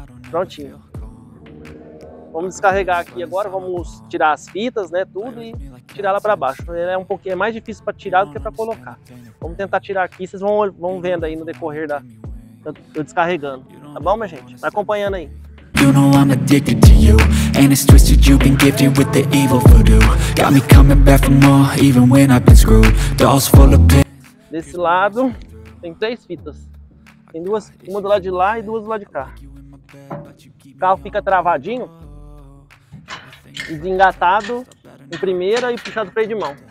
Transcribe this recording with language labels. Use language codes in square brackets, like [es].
[pt] Prontinho. Vamos descarregar aqui agora, vamos tirar as fitas, né, tudo, e tirar lá pra baixo. É um pouquinho mais difícil pra tirar do que pra colocar. Vamos tentar tirar aqui, vocês vão vendo aí no decorrer da... Eu descarregando, tá bom, minha gente? Tá acompanhando aí. [en] You know I'm addicted to you. And it's twisted, you've been gifted with the evil voodoo. Got me coming back for more, even when I've been screwed. Dolls full of pins. [pt] Desse lado, tem três fitas. Tem duas, uma do lado de lá e duas do lado de cá. O carro fica travadinho, desengatado em primeira e puxado freio de mão.